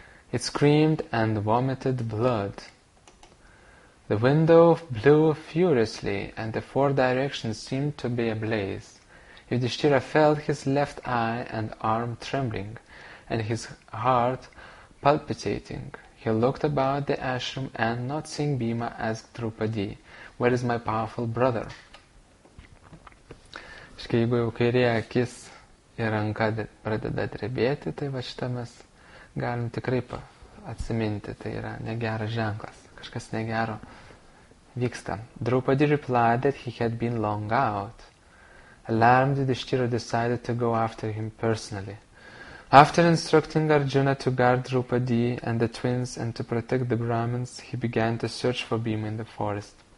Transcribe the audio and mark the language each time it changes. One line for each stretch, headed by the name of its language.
English: It screamed and vomited blood. The window blew furiously, and the four directions seemed to be ablaze. Yudhishthira felt his left eye and arm trembling, and his heart palpitating. He looked about the ashram, and not seeing Bhima, asked Draupadi, "Where is my powerful brother?"
Lithuanian: Iškai, jeigu jau kairėje akis ir ranka pradeda drebėti, tai va šitą mes galim tikrai atsiminti, tai yra negeras ženklas, kažkas negero vyksta.
English: Draupadi replied that he had been long out. Alarmed, Yudhishthira decided to go after him personally. After instructing Arjuna to guard Draupadi and the twins and to protect the Brahmins, he began to search for Bhima in the forest.